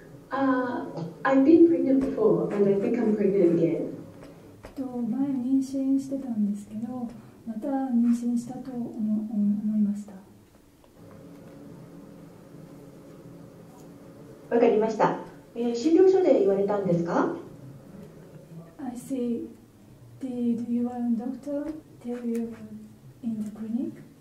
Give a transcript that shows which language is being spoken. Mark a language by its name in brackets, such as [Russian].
[English] I've been pregnant before and I think I'm pregnant again. [Japanese] 前妊娠してたんですけど、また妊娠したと思いました。わかりました。診療所で言われたんですか？ [English] I see. Did your doctor tell you in the clinic?